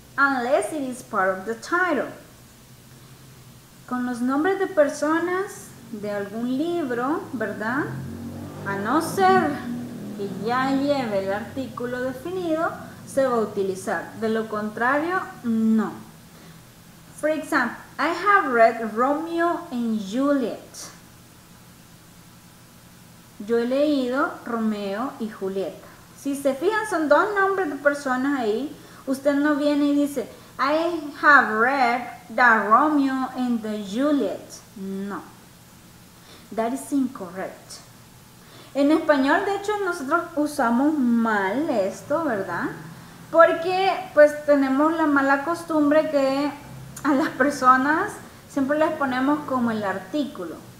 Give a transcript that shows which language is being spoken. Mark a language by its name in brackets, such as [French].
[English] Unless it is part of the title. [Spanish] Con los nombres de personas de algún libro, ¿verdad? A no ser que ya lleve el artículo definido, se va a utilizar. De lo contrario, no. [English] For example, I have read Romeo and Juliet. [Spanish] Yo he leído Romeo y Julieta. Si se fijan, son dos nombres de personas ahí. Usted no viene y dice, [English] I have read the Romeo and the Juliet. No. That is incorrect. [Spanish] En español, de hecho, nosotros usamos mal esto, ¿verdad? Porque, pues, tenemos la mala costumbre que a las personas siempre les ponemos como el artículo.